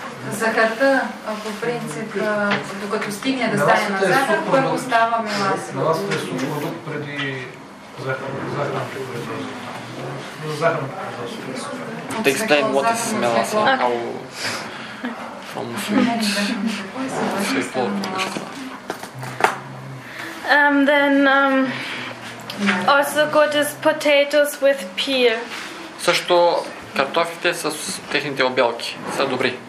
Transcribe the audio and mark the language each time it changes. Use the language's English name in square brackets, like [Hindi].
[Bulgarian] Захарта, по принцип, докато стигне да стане на захар, първо става меласа. Меласата е субпродукт преди захарната е преди захарната. [English] Да explain what is меласа, how from sweet, sweet Then Also good is potatoes with pear. [Bulgarian] Също картофите с техните обелки са добри.